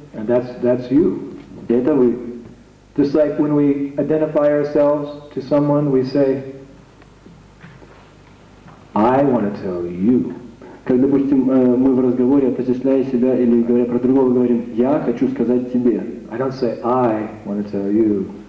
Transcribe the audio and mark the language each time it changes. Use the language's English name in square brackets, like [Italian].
[English] And that's you. [Russian] И это вы. [English] Just like when we identify ourselves to someone, we say, I want to tell you. [Russian] Как, допустим, мы в разговоре, отождествляя себя или говоря про другого, говорим, я хочу сказать тебе. [English] I don't say, I want to tell you.